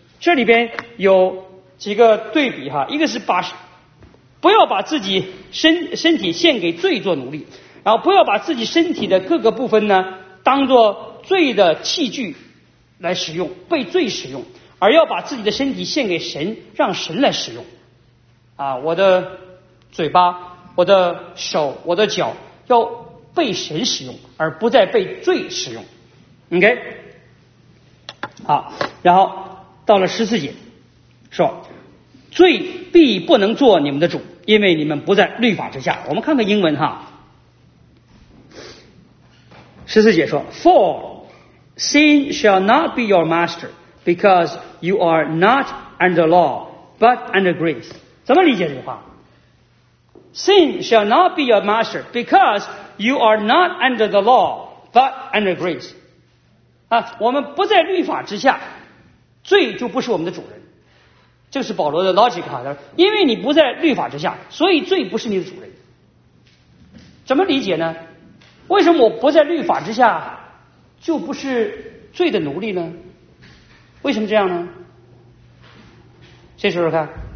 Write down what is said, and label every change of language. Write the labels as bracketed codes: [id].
[zh] 这里边有几个对比哈，一个是不要把自己身体献给罪做奴隶，然后不要把自己身体的各个部分呢，当作罪的器具来使用，被罪使用，而要把自己的身体献给神，让神来使用啊，我的嘴巴，我的手，我的脚要被神使用，而不再被罪使用。 OK， 好，然后到了十四节说，罪必不能做你们的主，因为你们不在律法之下。我们看看英文哈，十四节说 [en] For sin shall not be your master because you are not under law but under grace。 [zh] 怎么理解这句话？ [en] Sin shall not be your master because you are not under the law but under grace。 [zh] 啊，我们不在律法之下，罪就不是我们的主人，就是保罗的 logic 哈，因为你不在律法之下，所以罪不是你的主人。怎么理解呢？为什么我不在律法之下就不是罪的奴隶呢？为什么这样呢？谁说说看。